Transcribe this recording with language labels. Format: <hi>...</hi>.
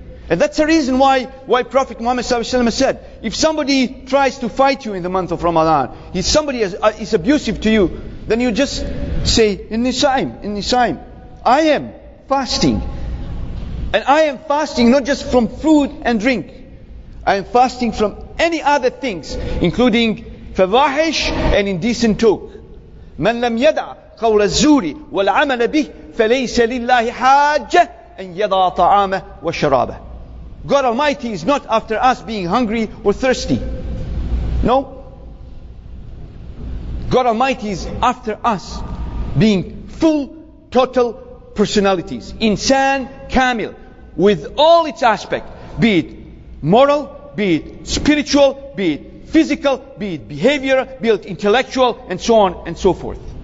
<en>And that's the reason why Prophet Muhammad Sallallahu Alaihi Wasallam said, if somebody tries to fight you in the month of Ramadan, if somebody is abusive to you, then you just say, in this time, I am fasting. And I am fasting not just from food and drink. I am fasting from any other things, including فواحش and indecent talk.</en> <ar>من لم يدع قول الزور والعمل به فليس لله حاجة أن يضع طعامه وشرابه.</ar> <en>God Almighty is not after us being hungry or thirsty. No. God Almighty is after us being full, total personalities. Insan, Kamil, with all its aspects, be it moral, be it spiritual, be it physical, be it behavioral, be it intellectual, and so on and so forth.</en>